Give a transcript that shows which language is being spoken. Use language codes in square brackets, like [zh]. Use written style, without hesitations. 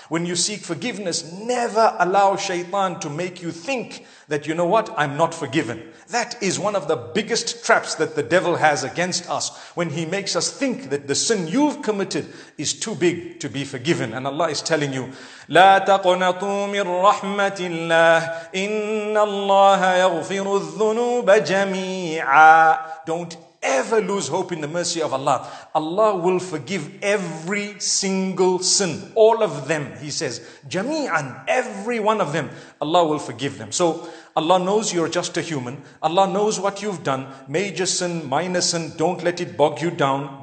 [en] When you seek forgiveness, never allow shaitan to make you think that, you know what, I'm not forgiven. That is one of the biggest traps that the devil has against us, when he makes us think that the sin you've committed is too big to be forgiven. And Allah is telling you, [ar] لا تقنطوا من رحمة الله إن الله يغفر الذنوب جميعا. [en] Don't ever lose hope in the mercy of Allah. Allah will forgive every single sin, all of them, he says, jami'an, every one of them, Allah will forgive them. So Allah knows you're just a human. Allah knows what you've done, major sin, minor sin, don't let it bog you down.